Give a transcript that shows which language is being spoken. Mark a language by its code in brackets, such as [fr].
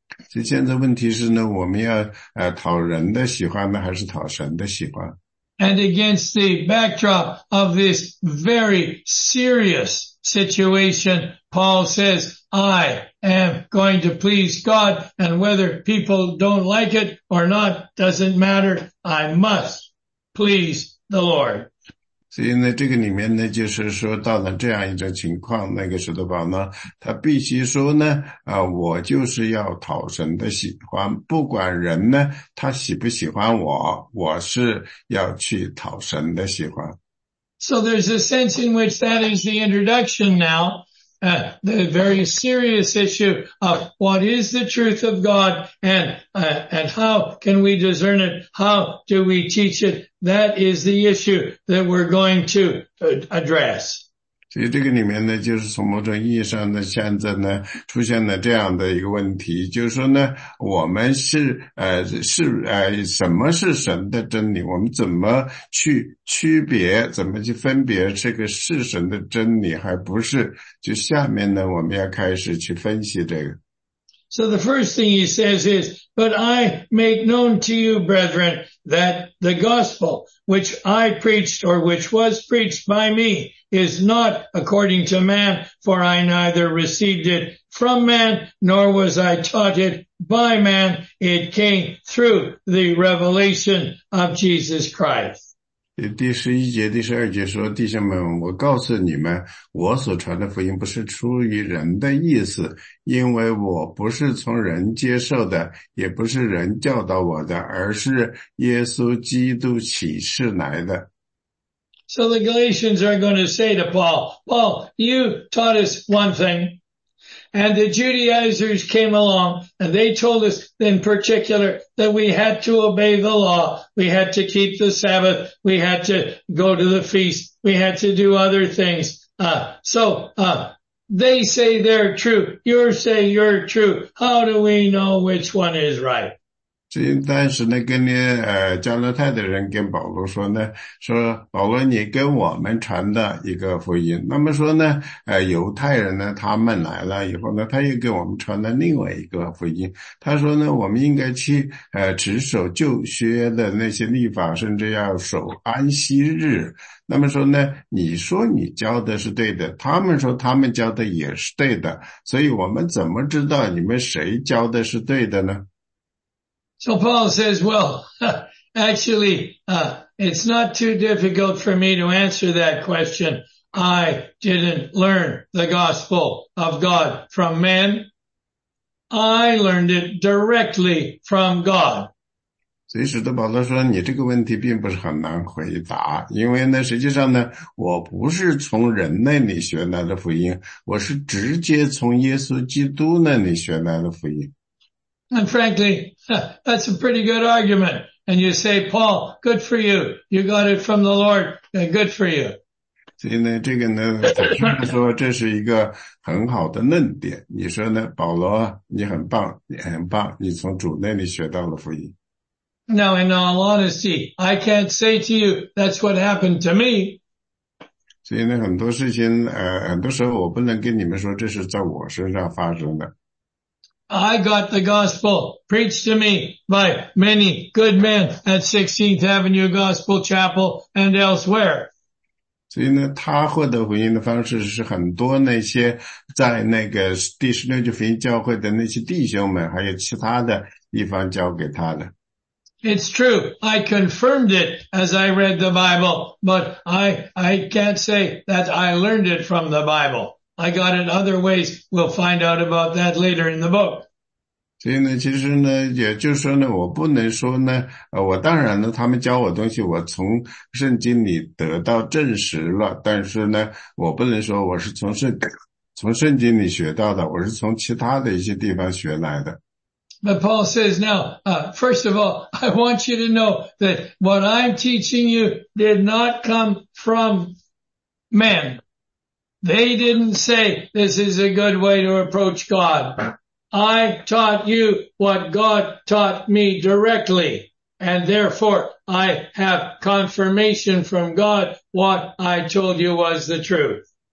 [zh] 所以现在问题是呢，我们要讨人的喜欢呢，还是讨神的喜欢？ [en] And against the backdrop of this very serious situation, Paul says, I am going to please God, and whether people don't like it or not doesn't matter. I must please the Lord. [zh] 所以呢，这个里面呢，就是说到了这样一种情况，那个使徒保罗呢，他必须说呢，我就是要讨神的喜欢，不管人呢，他喜不喜欢我，我是要去讨神的喜欢。 [en] So there's a sense in which that is the introduction now. The very serious issue of what is the truth of God and how can we discern it? How do we teach it? That is the issue that we're going to address. [zh] 所以这个里面呢，就是从某种意义上呢，现在呢出现了这样的一个问题，就是说呢，我们什么是神的真理？我们怎么去区别？怎么去分别这个是神的真理还不是？就下面呢，我们要开始去分析这个。 [en] So the first thing he says is, but I make known to you, brethren, that the gospel which I preached or which was preached by me is not according to man, for I neither received it from man, nor was I taught it by man. It came through the revelation of Jesus Christ. [zh] 第十一节、第十二节说，弟兄们，我告诉你们，我所传的福音不是出于人的意思，因为我不是从人接受的，也不是人教导我的，而是耶稣基督启示来的。 [en] So the Galatians are going to say to Paul, Paul, you taught us one thing, and the Judaizers came along, and they told us in particular that we had to obey the law, we had to keep the Sabbath, we had to go to the feast, we had to do other things. So They say they're true. You say you're true. How do we know which one is right? [zh] 但是呢，跟呢加勒泰的人跟保罗说呢，说保罗，你跟我们传的一个福音。那么说呢，犹太人呢，他们来了以后呢，他又给我们传了另外一个福音。他说呢，我们应该去持守旧约的那些律法，甚至要守安息日。那么说呢，你说你教的是对的，他们说他们教的也是对的，所以我们怎么知道你们谁教的是对的呢？ [en] So Paul says, well, actually, it's not too difficult for me to answer that question. I didn't learn the gospel of God from men. I learned it directly from God. [zh] 所以使徒保罗说，你这个问题并不是很难回答，因为呢，实际上呢，我不是从人那里学来的福音，我是直接从耶稣基督那里学来的福音。 [en] And frankly, that's a pretty good argument. And you say, Paul, good for you. You got it from the Lord. Good for you. [zh] 所以呢，这个呢，坦率地说，这是一个很好的论点。你说呢，保罗，你很棒，你很棒，你从主那里学到了福音。 [en] Now, in all honesty, I can't say to you, that's what happened to me. [zh] 所以呢，很多事情，很多时候我不能跟你们说，这是在我身上发生的。 [en] I got the gospel preached to me by many good men at 16th Avenue Gospel Chapel and elsewhere. [zh] 所以呢，他获得福音的方式是很多那些在那个第十六届福音教会的那些弟兄们，还有其他的地方教给他的。 [en] It's true. I confirmed it as I read the Bible, but I can't say that I learned it from the Bible. I got it other ways. We'll find out about that later in the book. [zh] 所以呢，其实呢，也就是说呢，我不能说呢，我当然呢，他们教我东西，我从圣经里得到证实了，但是呢，我不能说我是从圣经里学到的，我是从其他的一些地方学来的。 [en] But Paul says now, first of all, I want you to know that what I'm teaching you did not come from men. They didn't say this is a good way to approach God. I taught you what God taught me directly, and therefore I have confirmation from God what I told you was the truth.